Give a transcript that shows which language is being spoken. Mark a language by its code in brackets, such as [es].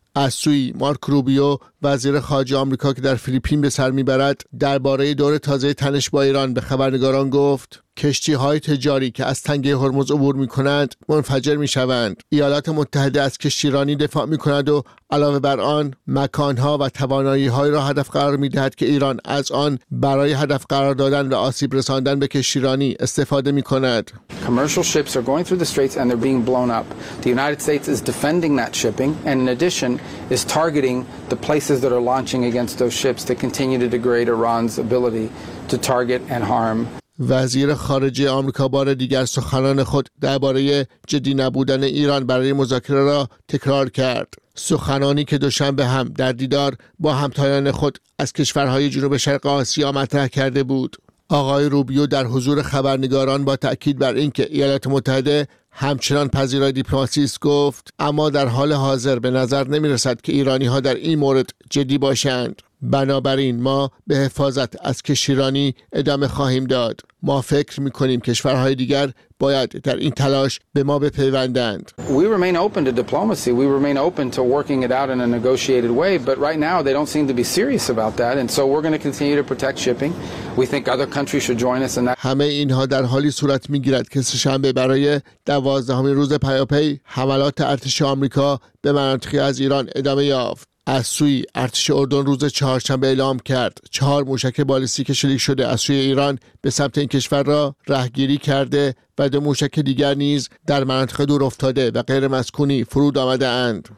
[fa] از سوی مارک روبیو، وزیر خارجه آمریکا که در فیلیپین به سر می‌برد، درباره دور تازه تنش با ایران به خبرنگاران گفت: کشتی‌های تجاری که از تنگه هرمز عبور می‌کنند منفجر می‌شوند. ایالات متحده از کشتیرانی دفاع می‌کند و علاوه بر آن مکان‌ها و توانایی‌های را هدف قرار می‌دهد که ایران از آن برای هدف قرار دادن و آسیب رساندن به کشتیرانی استفاده می‌کند. [en] Commercial ships are going through the straits and they're being blown up. The United States is defending that shipping and in addition is targeting the places that are launching against those ships to continue to degrade Iran's ability to target and harm. [fa] وزیر خارجه آمریکا بار دیگر سخنان خود درباره جدی نبودن ایران برای مذاکره را تکرار کرد. سخنانی که دوشنبه هم در دیدار با همتایان خود از کشورهای جنوب شرق آسیا مطرح کرده بود. آقای روبیو در حضور خبرنگاران با تأکید بر اینکه ایالات متحده همچنان پذیرای دیپلماسی است گفت: اما در حال حاضر به نظر نمی رسد که ایرانی ها در این مورد جدی باشند. بنابراین ما به حفاظت از کشتیرانی ادامه خواهیم داد. ما فکر می‌کنیم کشورهای دیگر باید در این تلاش به ما بپیوندند. [en] We remain open to diplomacy. We remain open to working it out in a negotiated way, but right now they don't seem to be serious about that and so we're going to continue to protect shipping. We think other countries should join us in that. [fa] همه اینها در حالی صورت می‌گیرد که سه‌شنبه برای 12 روز پیاپی حملات ارتش آمریکا به مناطقی از ایران ادامه یافت. از سوی ارتش اردن روز چهارشنبه اعلام کرد 4 موشک بالستیک شلیک شده از سوی ایران به سمت این کشور را رهگیری کرده و 2 موشک دیگر نیز در مناطق دور افتاده و غیر مسکونی فرود آمده اند.